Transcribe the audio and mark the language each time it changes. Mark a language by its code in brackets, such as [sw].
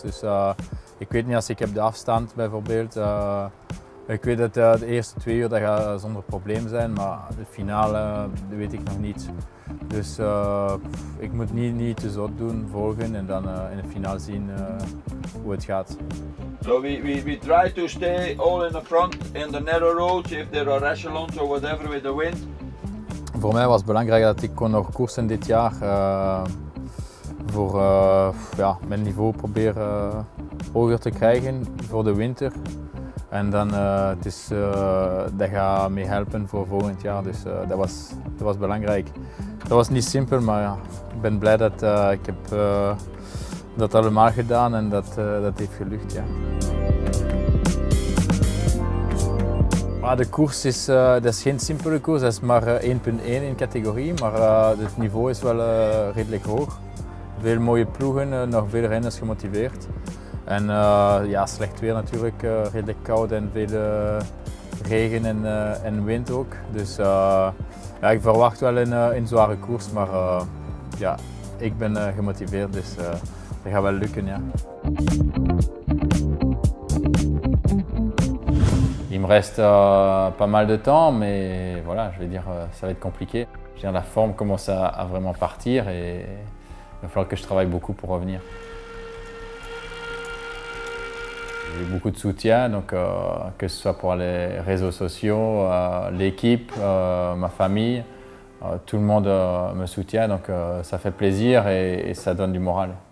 [nl] Dus ik weet niet, als ik heb de afstand bijvoorbeeld. Ik weet dat de eerste 2 uur dat gaat zonder probleem zijn, maar de finale weet ik nog niet. Dus ik moet niet te zot doen, volgen en dan in de finale zien hoe het gaat. [en] So we try to stay all in the front in the narrow roads if there are echelons or whatever with the wind. [nl] Voor mij was het belangrijk dat ik kon nog koersen dit jaar. Voor mijn niveau proberen hoger te krijgen voor de winter. En dan dat gaat mee helpen voor volgend jaar. Dus dat was belangrijk. Dat was niet simpel, maar ja, ik ben blij dat ik heb dat allemaal gedaan en dat heeft gelukt. Ja. Maar de koers is, dat is geen simpele koers, dat is maar 1.1 in categorie. Maar het niveau is wel redelijk hoog. Veel mooie ploegen, nog veel renners gemotiveerd. En slecht weer natuurlijk, redelijk koud en veel regen en wind ook. Dus ik verwacht wel een zware koers, maar ik ben gemotiveerd, dus dat gaat wel lukken. Ja. [fr] Il me reste pas mal de temps, mais voilà, je vais dire, ça va être compliqué. La forme commence à vraiment partir et il va falloir que je travaille beaucoup pour revenir. J'ai beaucoup de soutien, donc que ce soit pour les réseaux sociaux, l'équipe, ma famille, tout le monde me soutient, donc ça fait plaisir et ça donne du moral.